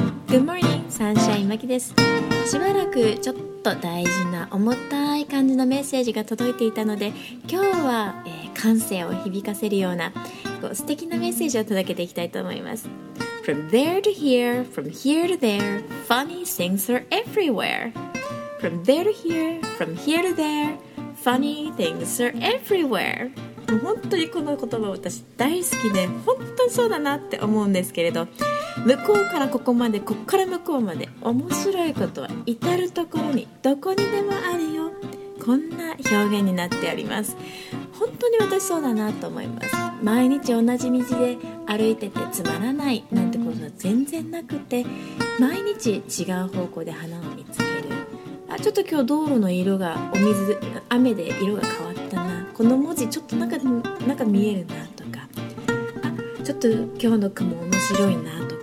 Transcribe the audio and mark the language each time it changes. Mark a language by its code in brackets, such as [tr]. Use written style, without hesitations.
[en] Good morning, [ja] サンシャイン牧です。しばらくちょっと大事な重たい感じのメッセージが届いていたので、今日は、感性を響かせるようなこう素敵なメッセージを届けていきたいと思います。 [en] From there to here, from here to there, funny things are everywhere. From there to here, from here to there, funny things are everywhere. [ja] 本当にこの言葉私大好きで、本当にそうだなって思うんですけれど、向こうからここまで、こっから向こうまで、面白いことは至るところにどこにでもあるよ、こんな表現になってあります。本当に私そうだなと思います。毎日同じ道で歩いててつまらないなんてことは全然なくて、毎日違う方向で花を見つける、あ、ちょっと今日道路の色が、お水、雨で色が変わったな、この文字ちょっと なんか見えるなとか、あ、ちょっと今日の雲面白いな、